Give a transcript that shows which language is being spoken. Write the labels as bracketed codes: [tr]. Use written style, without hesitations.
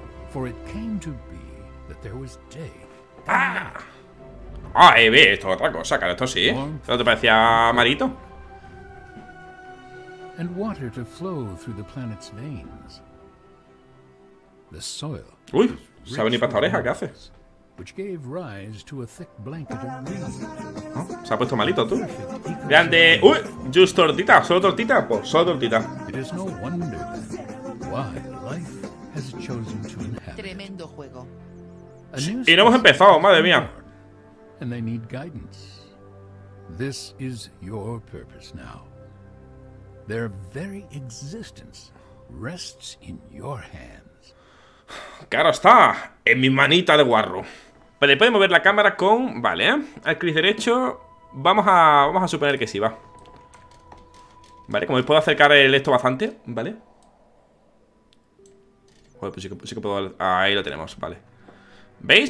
[en] For it came to be that there was day. [es] Ah, esto es otra cosa, claro, esto sí. ¿Esto te parecía marito? [en] And water to flow through the planet's veins. The soil. [es] Uy, se ha venido para esta oreja, ¿qué haces? [en] Which gave rise to a thick blanket of wind. [es] Se ha puesto malito tú. Grande. Uy, just tortita, solo tortita, pues solo tortita. [en] It is no wonder then why life has chosen to inhabit. [es] Tremendo juego. Y no hemos empezado, madre mía. [en] And they need guidance. This is your purpose now. Their very existence rests in your hands. [es] Claro está, en mi manita de guarro. Vale, puede mover la cámara con... Vale, ¿eh? Al clic derecho. Vamos a suponer que sí, va. Vale, como puedo acercar el esto bastante, ¿vale? Joder, pues sí que puedo... Ahí lo tenemos, vale. ¿Veis?